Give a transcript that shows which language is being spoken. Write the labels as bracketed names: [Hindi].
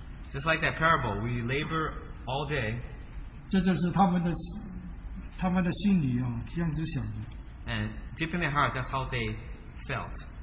[English] Just like that parable we labor all day [Chinese] 这就是他们的心里这样子想的 [English] And deep in their heart that's how they felt